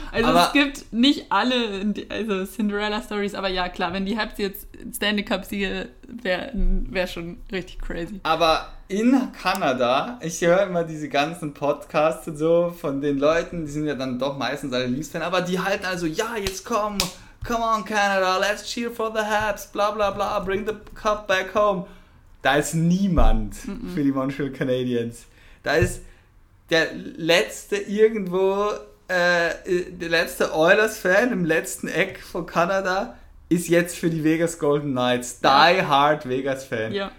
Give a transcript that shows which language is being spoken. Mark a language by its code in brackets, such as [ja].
[de] Also aber es gibt nicht alle also Cinderella-Stories, aber ja, klar, wenn die Habs jetzt Stanley Cup siegen, wär schon richtig crazy. Aber in Kanada, ich höre immer diese ganzen Podcasts und so von den Leuten, die sind ja dann doch meistens alle Leafs-Fan, aber die halten also, ja, jetzt komm... [en] Come on, Canada, let's cheer for the Habs, bla bla bla, bring the cup back home. [de] Da ist niemand für die Montreal Canadiens. Da ist der letzte irgendwo, der letzte Oilers-Fan im letzten Eck von Kanada ist jetzt für die Vegas Golden Knights. [en] Die hard [de] Vegas-Fan. Ja.